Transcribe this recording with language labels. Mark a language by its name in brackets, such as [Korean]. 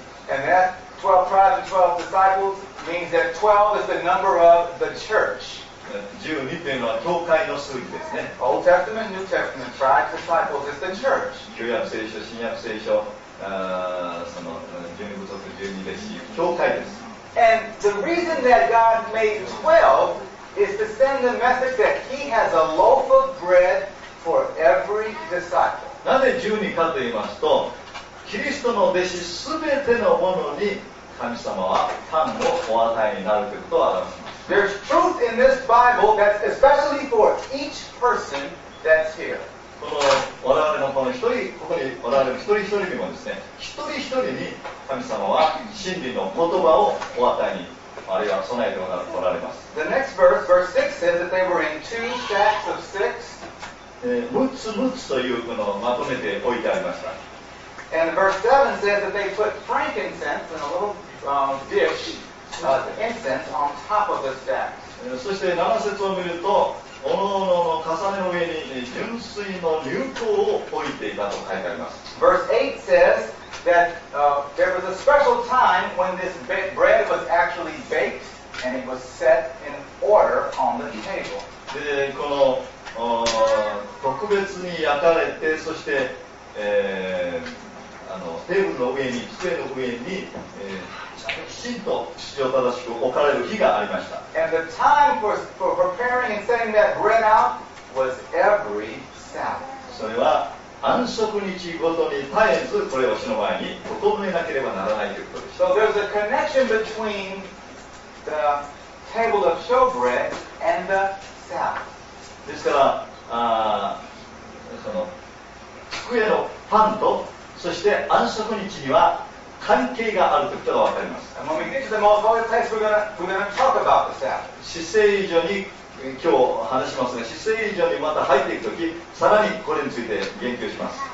[English] And that 12 tribes and 12 disciples means that 12 is the number of the church. [Japanese] 12というのは教会の数字ですね。 [English] Old Testament, New Testament, tribes, disciples is the church. [Japanese] 旧約聖書、新約聖書、その12部族、12弟子、教会です。 [English] And the reason that God made 12 is to send the message that He has a loaf of bread for every disciple. [Japanese] なぜ12かと言いますと、キリストの弟子すべてのものに神様はパンをお与えになるということを表します。 [English] There's truth in this Bible that's especially for each person that's here. [Japanese] この我々のこの一人、ここに我々の一人一人にもですね、一人一人に神様は真理の言葉をお与えに、あるいは備えておられます。 [English] The next verse, verse 6, says that they were in two stacks of six. [Japanese] 6つ6つというこのまとめて置いてありました。 [English] And verse 7 says that they put frankincense in a little dish, incense on top of the stacks. [Japanese] そして7節を見ると、おのおのの重ねの上に純粋の乳香を置いていたと書いてあります。 [English] Verse 8 says that there was a special time when this bread was actually baked and it was set in order on the table. [Japanese] で、この特別に焼かれて、そして、テーブルの上に、机の上に、きちんと秩序正しく置かれる日がありました。 [English] And the time for preparing and setting that bread out was every Sabbath. [Japanese] それは安息日ごとに絶えずこれを主の前に整えなければならないということです。 [English] So there's a connection between the table of showbread and the Sabbath. [Japanese] ですから、その机のパンと、そして安息日には関係があるということがわかります。 [English] And when we get to the most holy place, we're gonna talk about the Sabbath. [Japanese] 至聖所に今日話しますが、至聖所にまた入っていくとき、さらにこれについて言及します。